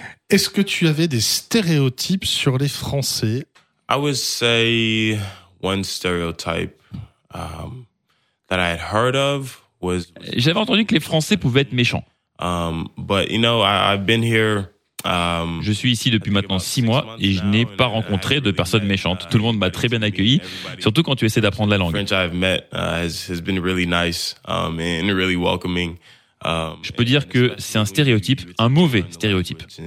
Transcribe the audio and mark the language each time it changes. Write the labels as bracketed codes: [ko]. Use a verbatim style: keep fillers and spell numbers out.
[fr] Est-ce que tu avais des stéréotypes sur les Français? [en] I would say one stereotype um, that I had heard of was. [fr] J'avais entendu que les Français pouvaient être méchants. [en] Um, but you know, I, I've been here. [fr] Je suis ici depuis maintenant six mois et je n'ai pas rencontré de personnes méchantes. Tout le monde m'a très bien accueilli, surtout quand tu essaies d'apprendre la langue. Je peux dire que c'est un stéréotype, un mauvais stéréotype.